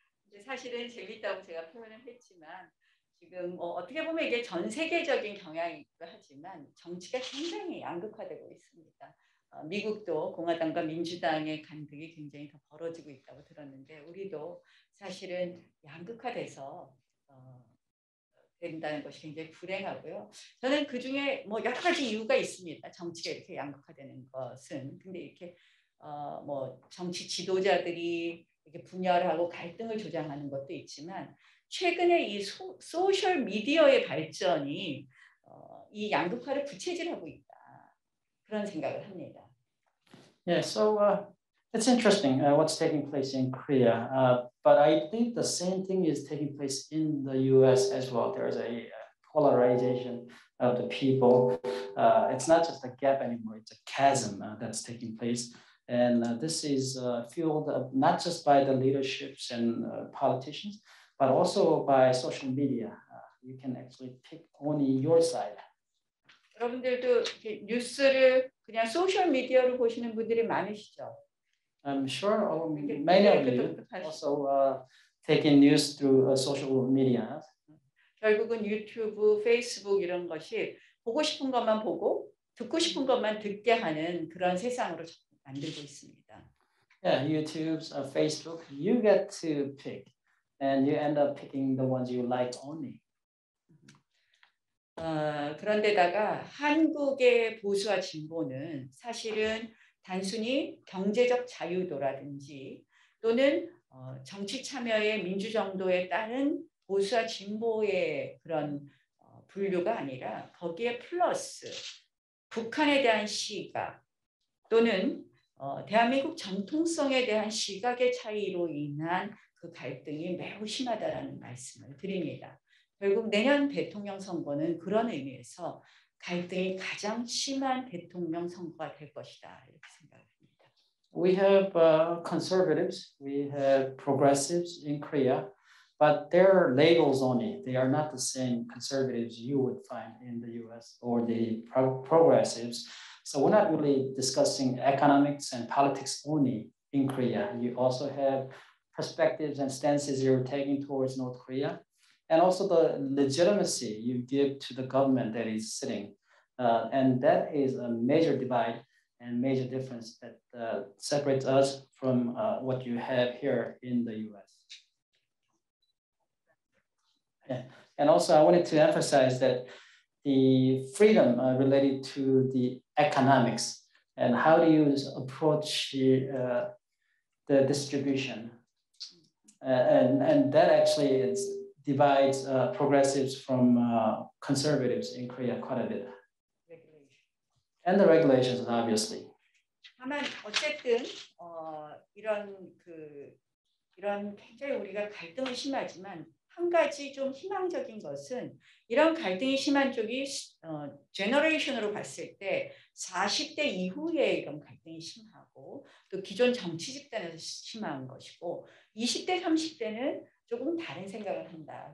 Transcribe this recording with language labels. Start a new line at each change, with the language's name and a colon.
Korean: 이제 사실은 재밌다고 제가 표현을 했지만 지금 뭐 어떻게 보면 이게 전 세계적인 경향이기도 하지만 정치가 굉장히 양극화되고 있습니다. 미국도 공화당과 민주당의 간극이 굉장히 더 벌어지고 있다고 들었는데 우리도 사실은 양극화돼서 된다는 것이 굉장히 불행하고요. 저는 그 중에 뭐 여러 가지 이유가 있습니다. 정치가 이렇게 양극화되는 것은 근데 이렇게 뭐 정치 지도자들이 이렇게 분열하고 갈등을 조장하는 것도 있지만 최근에 이 소셜 미디어의 발전이 이 양극화를 부채질하고 있다 그런 생각을 합니다.
English: Yeah, so it's interesting what's taking place in Korea. But I think the same thing is taking place in the U.S. as well. There is a polarization of the people. It's not just a gap anymore; it's a chasm that's taking place. And this is fueled not just by the leaderships and politicians, but also by social media. You can actually pick only your side.
Korean: 여러분들도 뉴스를 그냥 소셜 미디어로 보시는 분들이 많으시죠?
English: I'm sure many of you also taking news through social media.
Korean: 결국은 유튜브, 페이스북 이런 것이 보고 싶은 것만 보고 듣고 싶은 것만 듣게 하는 그런 세상으로 만들고 있습니다.
English: Yeah, YouTube, Facebook, you get to pick, and you end up picking the ones you like only.
Korean: 그런데다가 한국의 보수와 진보는 사실은 단순히 경제적 자유도라든지 또는 정치 참여의 민주 정도에 따른 보수와 진보의 그런 분류가 아니라 거기에 플러스 북한에 대한 시각 또는 대한민국 정통성에 대한 시각의 차이로 인한 그 갈등이 매우 심하다라는 말씀을 드립니다. 결국 내년 대통령 선거는 그런 의미에서 갈등이 가장 심한 대통령 선거가 될 것이다 이렇게 생각합니다.
English: We have conservatives, we have progressives in Korea, but they're labels only. They are not the same conservatives you would find in the U.S. or the progressives. So we're not really discussing economics and politics only in Korea. You also have perspectives and stances you're taking towards North Korea. And also the legitimacy you give to the government that is sitting. And that is a major divide and major difference that separates us from what you have here in the US. Yeah. And also I wanted to emphasize that the freedom related to the economics and how do you approach the distribution. And that actually is divides progressives from conservatives in Korea quite a bit. And the regulations, obviously.
Korean: 다만 어쨌든 이런 그 이런 굉장히 우리가 갈등이 심하지만 한 가지 좀 희망적인 것은 이런 갈등이 심한 쪽이 generation으로 봤을 때 40대 이후에 이런 갈등이 심하고 또 기존 정치 집단에서 심한 것이고 20대 30대는 조금 다른 생각을 한다.